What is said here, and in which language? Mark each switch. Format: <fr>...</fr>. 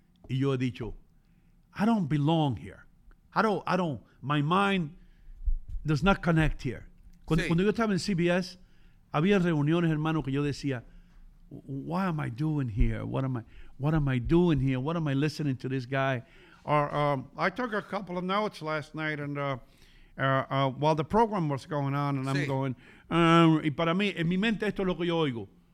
<es>Y yo he dicho,</es> <en>I don't belong here. I don't, my mind does not connect here.</en> <es>Cuando yo estaba en CBS, había reuniones, hermano, que yo decía,</es> <en>why am I doing here? What am I doing here? What am I listening to this guy? I took a couple of notes last night and while the program was going on and sí. I'm going,</en> <es>y para mí, en mi mente esto es lo que yo oigo.</es>